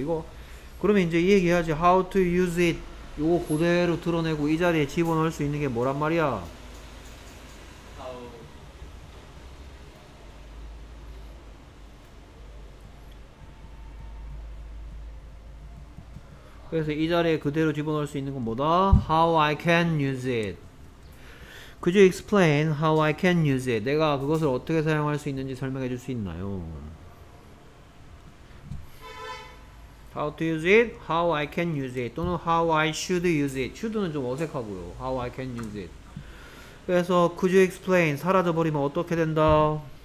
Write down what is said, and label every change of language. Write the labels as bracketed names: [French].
[Korean] 이거 그러면 이제 이 얘기해야지. [English] How to use it [Korean] 요거 그대로 드러내고 이 자리에 집어넣을 수 있는 게 뭐란 말이야? 그래서 이 자리에 그대로 집어넣을 수 있는 건 뭐다? [English] How I can use it. Could you explain how I can use it? [Korean] 내가 그것을 어떻게 사용할 수 있는지 설명해 줄 수 있나요? [English] How to use it? How I can use it? 또는 How I should use it? should는 [Korean] 좀 어색하고요. [English] How I can use it. [Korean] 그래서 [English] Could you explain? [Korean] 사라져버리면 어떻게 된다?